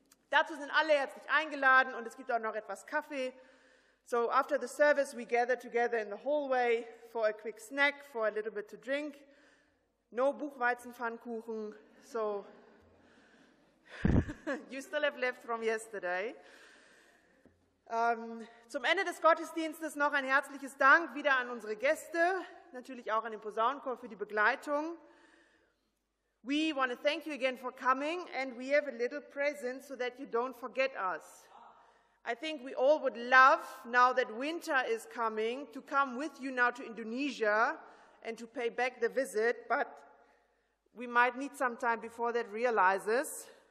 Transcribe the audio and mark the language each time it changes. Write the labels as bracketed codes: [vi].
[de] Dazu sind alle herzlich eingeladen und es gibt auch noch etwas Kaffee. [en] So after the service we gather together in the hallway for a quick snack, for a little bit to drink. No Buchweizenpfannkuchen. So you still have left from yesterday. [de] Zum Ende des Gottesdienstes noch ein herzliches Dank wieder an unsere Gäste, natürlich auch an den Posaunenchor für die Begleitung. [en] We want to thank you again for coming and we have a little present so that you don't forget us. I think we all would love, now that winter is coming, to come with you now to Indonesia and to pay back the visit, but we might need some time before that realizes.